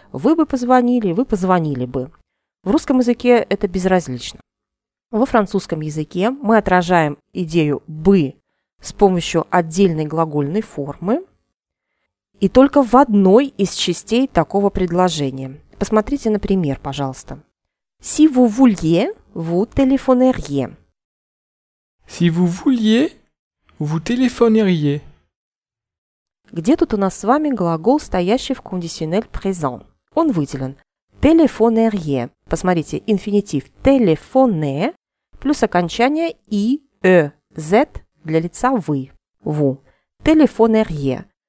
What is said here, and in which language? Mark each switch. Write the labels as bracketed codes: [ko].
[ru] «Вы бы позвонили», «вы позвонили бы». В русском языке это безразлично. Во французском языке мы отражаем идею «бы» с помощью отдельной глагольной формы и только в одной из частей такого предложения. Посмотрите на пример, пожалуйста. [fr] Si vous vouliez, vous téléphoneriez. Si vous vouliez, vous téléphoneriez. [ru] Где тут у нас с вами глагол, стоящий в кондиционнель présent? Он выделен. Téléphoneriez. Посмотрите, инфинитив téléphone плюс окончание i, e, z для лица вы. [fr] Vous. Téléphoneriez.